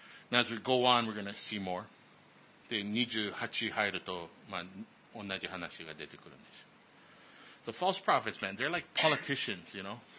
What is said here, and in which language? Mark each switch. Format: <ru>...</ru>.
<en>Now as we go on, we're going to see more.</en> <ja>で、28入ると、まあ、同じ話が出てくるんです。</ja> <en>The false prophets, man, they're like politicians, you know?</en>